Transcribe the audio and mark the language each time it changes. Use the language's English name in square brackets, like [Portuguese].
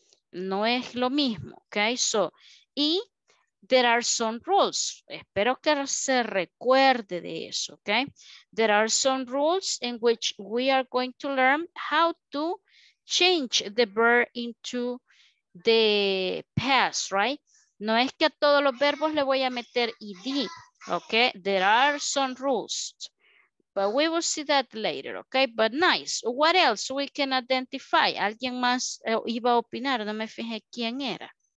[Spanish] No es lo mismo, [English] okay? So, y there are some rules. [Spanish] Espero que se recuerde de eso, [English] okay? There are some rules in which we are going to learn how to change the verb into the past, right? [Spanish] No es que a todos los verbos le voy a meter ed, okay? [English] There are some rules, but we will see that later, okay? But nice. What else we can identify? [Spanish] Alguien más iba a opinar, no me fijé quién era.